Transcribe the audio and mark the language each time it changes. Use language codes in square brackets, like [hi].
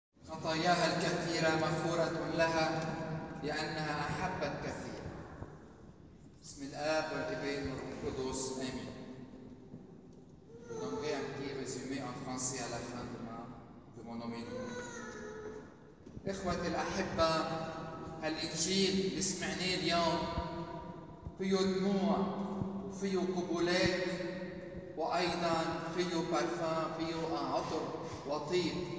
[ar] خطاياها الكثيرة مغفورة لها لأنها أحبت كثيرا. بسم الآب والابن والقدس آمين. [fr] Je donnerai un petit résumé en français à la fin de mon homélie. [ar] إخوتي الأحبة، هالإنجيل اللي سمعناه اليوم فيه دموع وفيه قبولات وأيضا فيه برفان، فيه عطر وطيب.